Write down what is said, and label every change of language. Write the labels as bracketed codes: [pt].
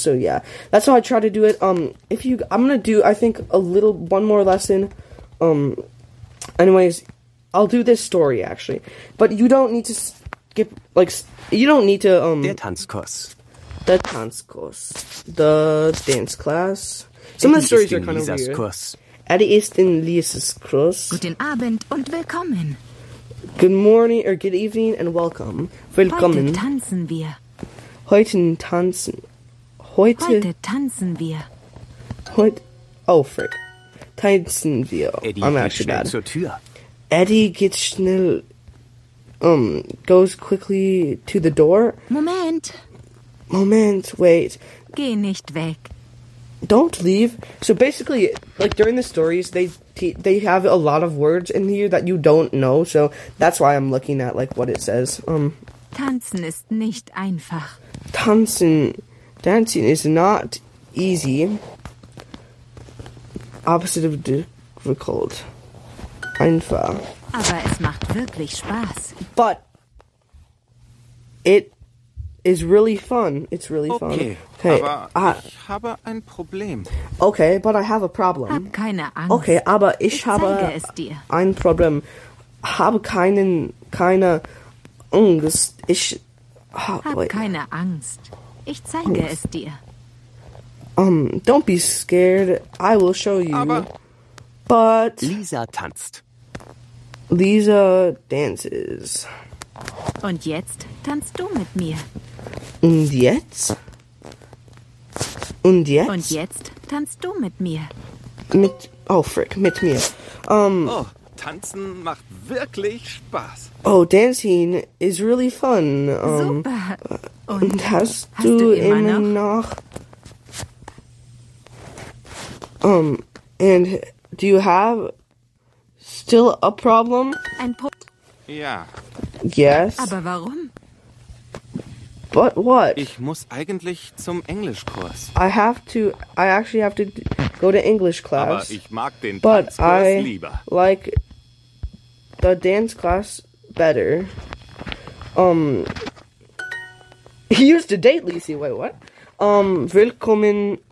[en] So yeah, that's how I try to do it. I'm gonna do, I think, a little one more lesson. Anyways. I'll do this story, actually. But you don't need to skip, like, you don't need to, [de] Der Tanzkurs. Der Tanzkurs. [en] The dance class. Some of the stories are kind of weird. [de] Kurs. Eddie ist in Lieses Kurs. Guten Abend und willkommen. [en] Good morning, or good evening, and welcome. [de] Willkommen. Heute tanzen wir. Heute tanzen wir. Heute, oh, frick. Tanzen wir. Eddie, [en] I'm actually bad. [de] Zur Tür. [en] Eddie gets schnell, goes quickly to the door. [de] Moment, [en] wait. [de] Geh nicht weg. [en] Don't leave. So basically, like, during the stories, they have a lot of words in here that you don't know, so that's why I'm looking at, like, what it says. [de] Tanzen ist nicht einfach. [en] Dancing is not easy. Opposite of difficult. Einfach. [de] Aber es macht wirklich Spaß. [en] But it is really fun. It's really okay, fun. [de] Okay, aber ich habe ein Problem. [en] Okay, but I have a problem. [de] Hab keine Angst. Okay, aber ich habe ein Problem. Habe keine Angst. Ich zeige Angst. Es dir. [en] Don't be scared. I will show you. But [de] Lisa tanzt. [en] Lisa dances. [de] Und jetzt tanzt du mit mir. Und jetzt? Und jetzt tanzt du mit mir. Mit, oh frick, mit mir. Oh, tanzen macht wirklich Spaß. [en] Oh, dancing is really fun. [de] Super. Und hast du immer noch? [en] And do you have still a problem? [de] Ja. [en] Yes. [de] Aber warum? [en] But what? [de] Ich muss eigentlich zum Englischkurs. [en] I actually have to go to English class. [de] Aber ich mag den Tanzkurs lieber. [en] But I like the dance class better. He used to date Lisi. Wait, what? Willkommen.